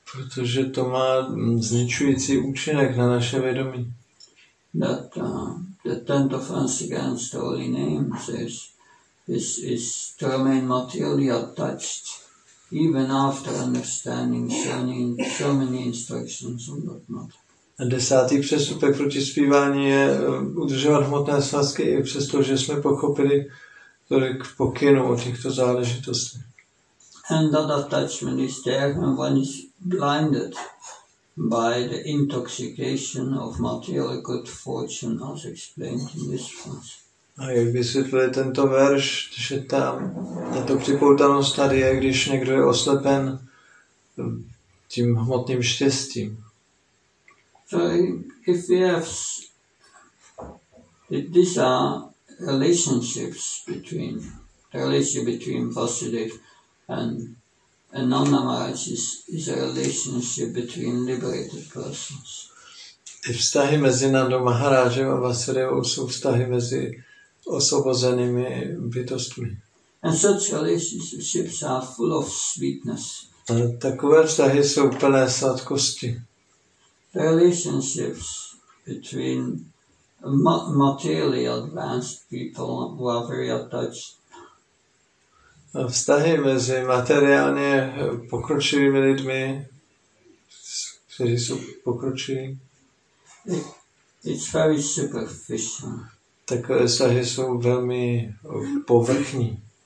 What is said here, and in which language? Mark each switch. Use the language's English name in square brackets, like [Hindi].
[Czech] Protože to má zničující účinek na naše vědomí. [English] That the tent of offense against the holy name says is to remain materially attached even after understanding so many instructions on that matter. [Czech] A desátý přestupek proti zpívání je udržovat hmotné svazky i přesto, že jsme pochopili tolik pokynů o těchto záležitostech. [English] And that attachment is there when one is blinded by the intoxication of material good fortune, as explained in this verse. [Czech] A jak vysvětluje tento verš, že tam tato připoutanost tady je, když někdo je oslepen tím hmotným štěstím. [English] So if we have these are relationships between the relationship between Vasudev and Ananda Maharaj is a relationship between liberated persons. [Czech] Ty vztahy mezi Nandou Maharajem a Vasudevou jsou vztahy mezi osvobozenými bytostmi. [English] And such relationships are full of sweetness. [Czech] A takové vztahy jsou plné sladkosti. [English] The relationships between materially advanced people who are very attached. [Czech] A vztahy mezi materiálně pokročilými lidmi, kteří jsou pokročilí. [English] It's very superficial. [Czech] Takové vztahy jsou velmi povrchní.